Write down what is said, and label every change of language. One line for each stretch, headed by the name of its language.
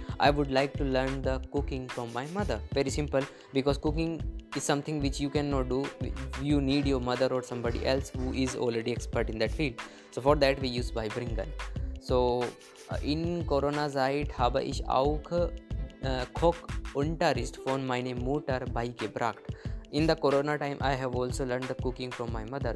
English: I would like to learn the cooking from my mother. Very simple, because cooking is something which you cannot do. You need your mother or somebody else who is already expert in that field. So for that we use beibringen.
German: So, in Corona-Zeit habe ich auch Kochunterricht von meiner Mutter beigebracht.
English: In the Corona-Time, I have also learned the cooking from my mother.